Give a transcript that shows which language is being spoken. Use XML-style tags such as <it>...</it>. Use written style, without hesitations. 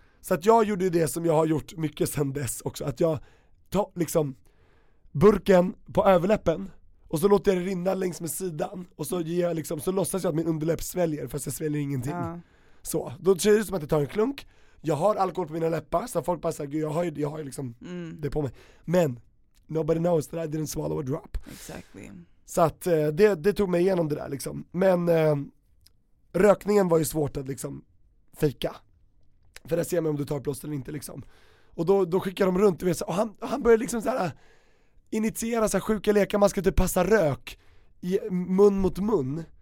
<sv>Så att jag gjorde det som jag har gjort mycket sedan dess också. Att jag tar liksom burken på överläppen och så låter jag det rinna längs med sidan. Och så, ger jag liksom, så låtsas jag att min underläpp sväljer, fast jag sväljer ingenting. Mm. Så, då ser det ut som att jag tar en klunk. Jag har alkohol på mina läppar, så folk bara säger, gud, jag har liksom det på mig.</sv> <en>Men nobody knows that I didn't swallow a drop. Exactly.</en> <sv>Så att det tog mig igenom det där liksom. Men rökningen var ju svårt att liksom fejka. För det ser man om du tar plåster eller inte liksom. Och då skickar de runt och, visar, och han börjar liksom så här initiera så här sjuka lekar. Man ska typ passa rök i mun mot mun.</sv>